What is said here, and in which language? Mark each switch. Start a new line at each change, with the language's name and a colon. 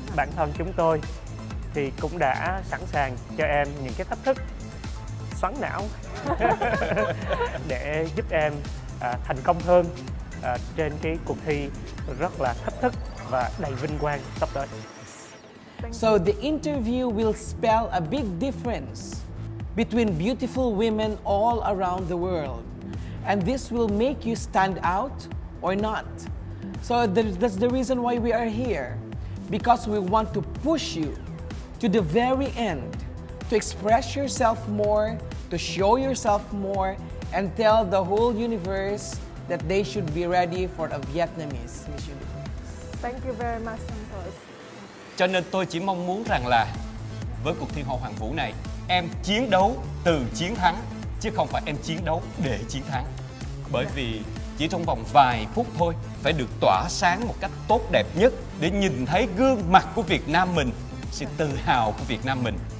Vietnamese: Bản thân chúng tôi thì cũng đã sẵn sàng cho em những cái thách thức xoắn não để giúp em thành công hơn trên cái cuộc thi rất là thách thức và đầy vinh quang sắp tới.
English: So the interview will spell a big difference between beautiful women all around the world, and this will make you stand out or not. So that's the reason why we are here, because we want to push you to the very end, to express yourself more, to show yourself more, and tell the whole universe that they should be ready for a Vietnamese Miss Universe. Thank you very much, Santos.
Vietnamese: Cho nên tôi chỉ mong muốn rằng là với cuộc thi Hậu Hoàng Vũ này, em chiến đấu từ chiến thắng, chứ không phải em chiến đấu để chiến thắng. Bởi vì chỉ trong vòng vài phút thôi, phải được tỏa sáng một cách tốt đẹp nhất để nhìn thấy gương mặt của Việt Nam mình, sự tự hào của Việt Nam mình.